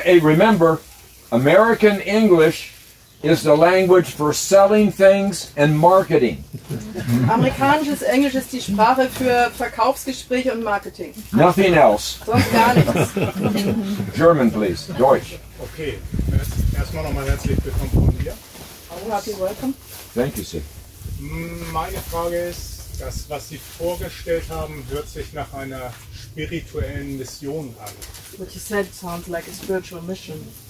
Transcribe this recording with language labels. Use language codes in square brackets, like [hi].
[en] Hey, remember, American English is the language for selling things and marketing. [de] Amerikanisches Englisch ist die Sprache für Verkaufsgespräche und Marketing. [en] Nothing else. [de] Sonst gar nichts. [en] German, please. Deutsch. [de] Okay. Erstmal nochmal herzlich willkommen von [en] mir. Happy welcome. Thank you, sir. [de] Meine Frage ist, das, was Sie vorgestellt haben, hört sich nach einer spirituellen Mission an. [en] What you said sounds like a spiritual mission.